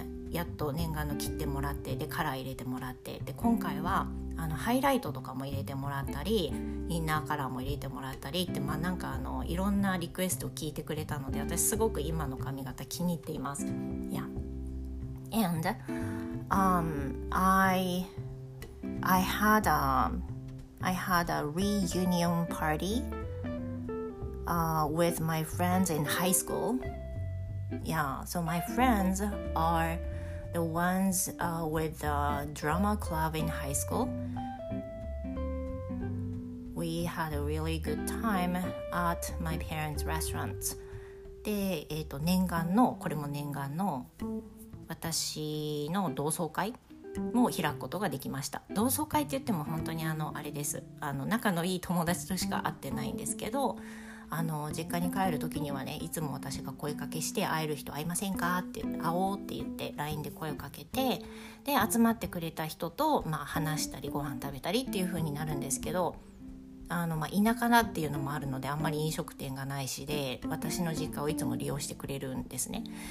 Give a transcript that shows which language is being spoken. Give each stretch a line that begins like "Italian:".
Japanese: やっと念願の切ってもらって、でカラー入れてもらって、で今回はハイライトとかも入れてもらったり、インナーカラーも入れてもらったりって、いろんなリクエストを聞いてくれたので、私すごく今の髪型気に入っています。
English: Yeah. And I had a reunion party with my friends in high school. Yeah, so my friends are the ones with the drama club in high school. We had a really good time at my parents' restaurant.
Japanese: で、念願の、これも念願の私の同窓会も開くことができました。同窓会って言っても本当にあれです。仲のいい友達としか会ってないんですけど、実家に帰る時にはね、いつも私が声かけして、会える人会いませんかって会おうって言って LINE で声をかけて、で集まってくれた人と話したりご飯食べたりっていう風になるんですけど、田舎だっていうのもあるので、あんまり飲食店がないしで、私の実家をいつも利用してくれるんですね。